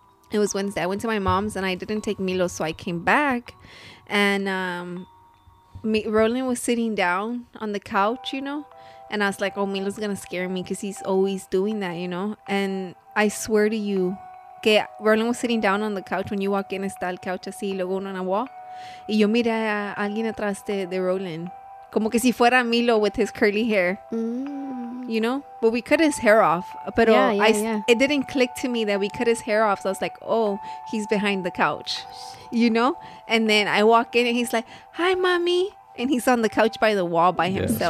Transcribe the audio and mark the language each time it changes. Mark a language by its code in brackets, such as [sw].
[en] It was Wednesday. I went to my mom's and I didn't take Milo, so I came back, and Roland was sitting down on the couch, you know. And I was like, oh, Milo's going to scare me, because he's always doing that, you know? And I swear to you, que Roland was sitting down on the couch. When you walk in, [es] está el couch así, y luego uno en la wall. Y yo miré a alguien atrás de Roland. Como que si fuera [en] Milo with his curly hair. Mm. You know? But we cut his hair off. But it didn't click to me that we cut his hair off. So I was like, oh, he's behind the couch. You know? And then I walk in and he's like, hi, mommy. And he's on the couch by the wall by himself.